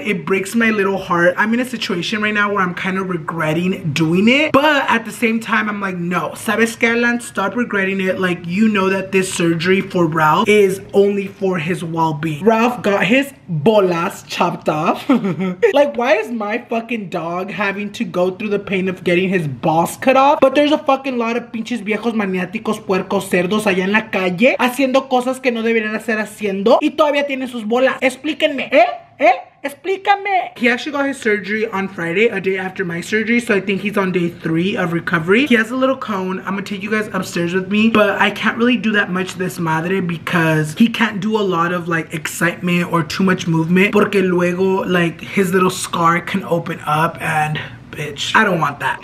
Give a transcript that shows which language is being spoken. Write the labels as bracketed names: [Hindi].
[English] It breaks my little heart. I'm in a situation right now where I'm kind of regretting doing it, but at the same time, I'm like, no, [Spanish] sabes que, [English] Alan, stop regretting it. Like, you know that this surgery for Ralph is only for his well-being. Ralph got his bolas chopped off. Like, why is my fucking dog having to go through the pain of getting his balls cut off? But there's a fucking lot of [Spanish] pinches viejos, maniáticos, puercos, cerdos allá en la calle haciendo cosas que no deberían hacer haciendo y todavía tienen sus bolas. Explíquenme, ¿eh? ¿Eh? Explícame. [English] He actually got his surgery on Friday, a day after my surgery, so I think he's on day 3 of recovery. He has a little cone. I'm gonna take you guys upstairs with me, but I can't really do that much this madre because he can't do a lot of like excitement or too much movement [Spanish] porque luego [English] like his little scar can open up and bitch, I don't want that.